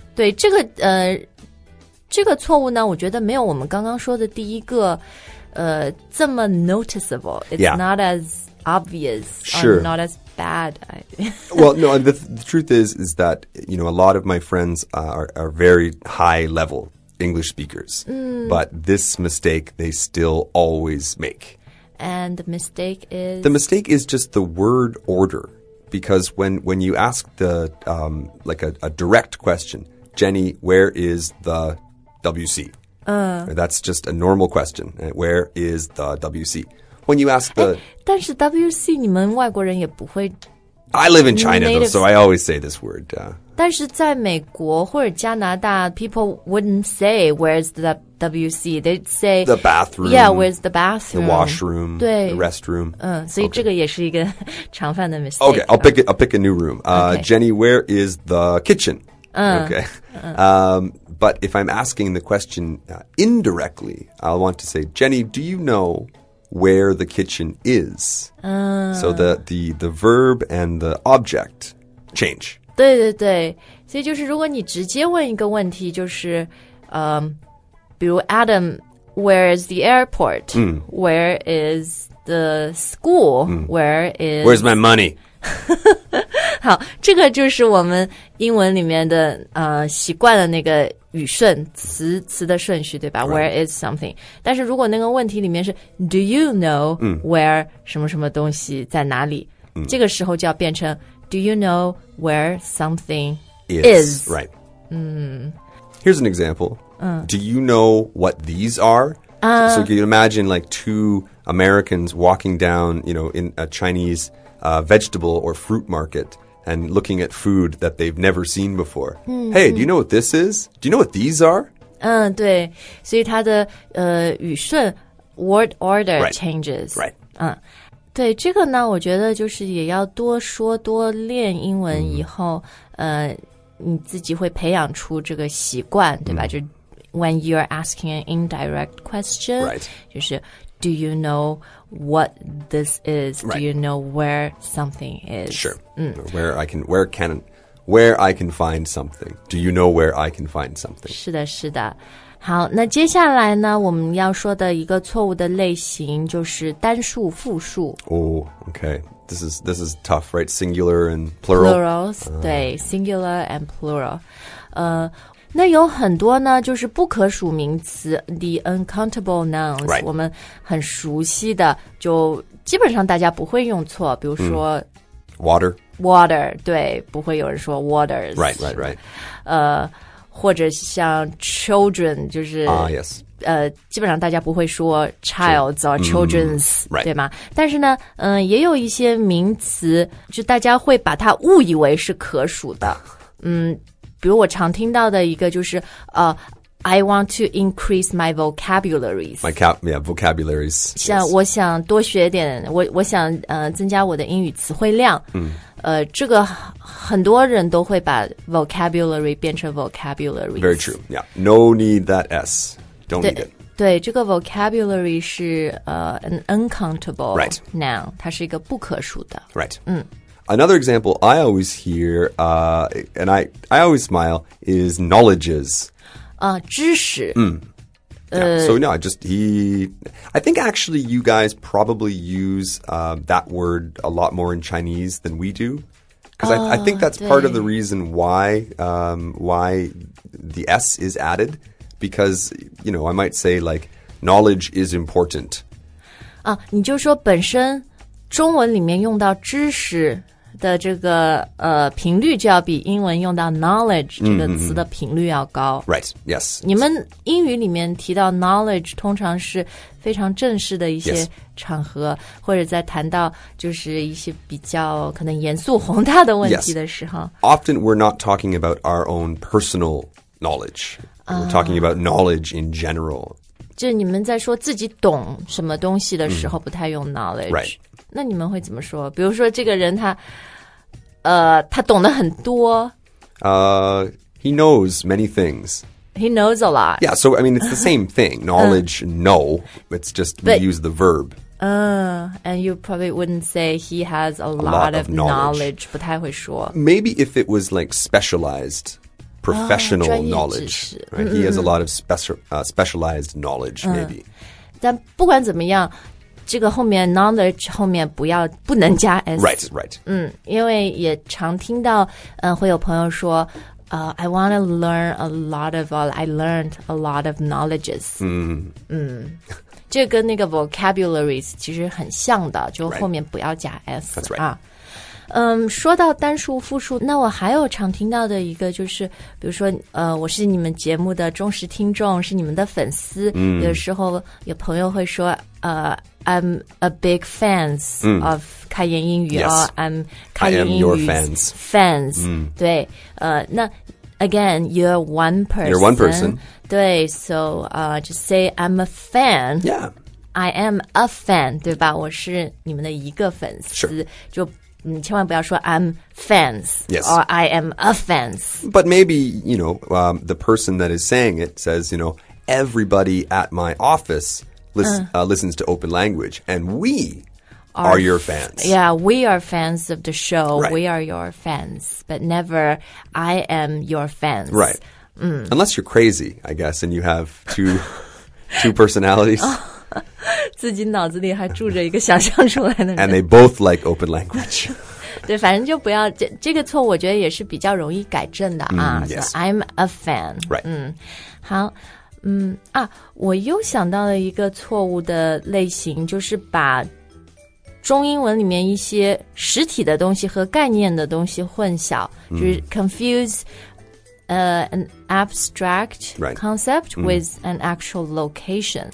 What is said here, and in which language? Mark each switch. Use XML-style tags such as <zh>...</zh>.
<zh>对这个、这个错误呢我觉得没有我们刚刚说的第一个、这么 noticeable It's、</zh> <en>yeah. not as obvious Sure Not as bad Well no the truth is that you know a lot of my friends are very high levelEnglish speakers,、 mm. but this mistake they still always make. And the mistake is? The mistake is just the word order. Because when you ask the,、like a direct question, Jenny, where is the WC?、That's just a normal question. Where is the WC? When you ask the...</en> <zh>但是 WC 你们外国人也不会</zh> <en>I live in China, though, so I always say this word.、</en> <zh>但是在美国或者加拿大</zh> <en>people wouldn't say where's the WC. They'd say... The bathroom. Yeah, where's the bathroom. The washroom.</en> <zh>对</zh> <en>The restroom.</en> <zh>所以这个也是一个常犯的 mistake.</zh> <en>Okay, I'll pick a new room.、 Okay. Jenny, where is the kitchen?、 Okay. But if I'm asking the question、indirectly, I'll want to say, Jenny, do you know... where the kitchen is.、So that the verb and the object change.</en> <zh>对对对。所以就是如果你直接问一个问题就是、比如</zh> <en>Adam, where is the airport?、 Mm. Where is the school?、 Mm. Where is... Where's my money?</en> <zh>好这个就是我们英文里面的、习惯的那个语顺词的顺序对吧、</zh> <en>right. Where is something</en> <zh>但是如果那个问题里面是</zh> <en>Do you know where</en> <zh>什么什么东西在哪里、</zh> <en>mm.</en> <zh>这个时候就要变成</zh> <en>Do you know where something is Right、 mm. Here's an example、Do you know what these are、So can you imagine like two Americans walking down You know in a Chinese、vegetable or fruit marketAnd looking at food that they've never seen before.、 Mm-hmm. Hey, do you know what this is? Do you know what these are?</en> <zh>对。所以它的、语顺</zh> <en>word order changes. Right.</en> <zh>对，这个呢，我觉得就是也要多说多练英文以后、mm-hmm. 你自己会培养出这个习惯，对吧？</zh> <en>Mm-hmm. 就 when you're asking an indirect question. Right. 就是 do you know... What this is,、 right. do you know where something is? Sure.、Where I can find something. Do you know where I can find something?</en> <zh>是的是的。好那接下来呢我们要说的一个错误的类型就是单数复数。</zh> <en>Oh, okay. This is tough, right? Singular and plural.</en> <zh>Plurals,、对</zh> <en>singular and plural.、</en> <zh>那有很多呢就是不可数名词</zh> <en>The uncountable nouns、 right.</en> <zh>我们很熟悉的就基本上大家不会用错比如说、</zh> <en>Water</en> <zh>对不会有人说 waters</zh> <en>Right</en> <zh>或者像 children 就是、</zh> <en>yes.</en> <zh>基本上大家不会说 childs、</zh> <en>True. or children's、 right.</en> <zh>对吗但是呢、也有一些名词就大家会把它误以为是可数的比如我常听到的一个就是、</zh> <en>I want to increase my vocabularies. Vocabularies.</en> <zh>像我想多学点、</zh> <en>yes.</en> <zh>我想、增加我的英语词汇量、</zh> <en>mm.</en> <zh>这个很多人都会把 vocabulary 变成 vocabularies.</zh> <en>Very true. Yeah. No need that S. Don't need it.</en> <zh>对这个 vocabulary 是、an uncountable、</zh> <en>right.</en> <zh>noun. 它是一个不可数的。</zh> <en>Right.、 Mm. Another example I always hear,、and I always smile, is knowledges.</en> <zh>知识、</zh> <en>mm. yeah. So no, just he... I think actually you guys probably use、that word a lot more in Chinese than we do. Because、I think that's part of the reason why the S is added. Because, you know, I might say like, knowledge is important.</en> <zh>啊，你就说本身中文里面用到知识的这个频率就要比英文用到 knowledge 这个词的频率要高。</zh> <en>Mm-hmm. Right, yes.</en> <zh>你们英语里面提到 knowledge 通常是非常正式的一些场合、</zh> <en>yes.</en> <zh>或者在谈到就是一些比较可能严肃宏大的问题的时候。</zh> <en>Yes. Often we're not talking about our own personal knowledge. We're talking about knowledge in general.</en> <zh>就你们在说自己懂什么东西的时候不太用 knowledge.、</zh> <en>Mm-hmm. Right.</en> <zh>那你们会怎么说？比如说这个人他他懂得很多。</zh> <en>He knows many things. He knows a lot. Yeah, so I mean, it's the same thing. Knowledge, know. It's just but, we use the verb. And you probably wouldn't say he has a lot of knowledge.</en> <zh>不太会说。</zh> <en>Maybe if it was like specialized, professional knowledge. Right? He has a lot of specialized knowledge, maybe.</en> <zh>但不管怎么样这个后面 knowledge 后面不能加 s.</zh> <en>Right, right.</en> <zh>因为也常听到会有朋友说</zh> <en>I want to learn a lot of, I learned a lot of knowledges.</en> <zh>这跟那个 vocabularies 其实很像的就后面不要加 s.</zh> <en>That's right.</en> <zh>说到单数复数那我还有常听到的一个就是比如说我是你们节目的忠实听众是你们的粉丝、有时候有朋友会说</zh> <en>I'm a big fans of</en> <zh>开言英语、</zh> <en>yes. I'm 开言英语 I am your fans. Fans.、Mm. 对、那 again, you're one person. You're one person. 对 so just say I'm a fan. Yeah. I am a fan,</en> <zh>对吧我是你们的一个粉丝、</zh> <en>sure.</en> <zh>就你千万不要说</zh> <en>I'm fans. Yes. Or I am a fans. But maybe, you know,、the person that is saying it says, you know, everybody at my office listens to Open Language, and we are your fans. Yeah, we are fans of the show.、 Right. We are your fans, but never I am your fans. Right.、Unless you're crazy, I guess, and you have two personalities.</en> <zh>自己脑子里还住着一个想象出来的人。</zh> <en>And they both like Open Language.</en> <zh>对，反正就不要这个错，我觉得也是比较容易改正的啊。</zh> <en>Yes. So I'm a fan. Right.</en> <zh>好。我又想到了一个错误的类型，就是把中英文里面一些实体的东西和概念的东西混淆，就是</zh> <en>confuse an abstract concept with an actual location.</en>